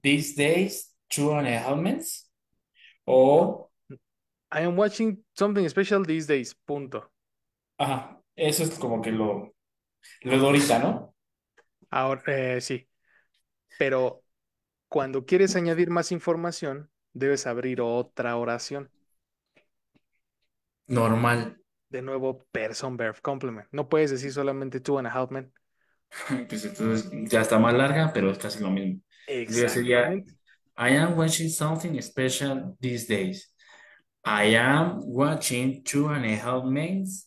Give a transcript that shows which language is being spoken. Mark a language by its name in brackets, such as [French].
[English] these days, two and a half months, o Am watching something special these days. Punto. [Spanish] ajá, eso es como que lo de ahorita, ¿no? Ahora, sí. Pero cuando quieres añadir más información, debes abrir otra oración. Normal. De nuevo, [English] person, verb, complement. [Spanish] No puedes decir solamente two and a half men. Pues entonces ya está más larga, pero es casi lo mismo. Entonces sería, Exactamente. [English] I am watching something special these days. I am watching Two and a Half Men.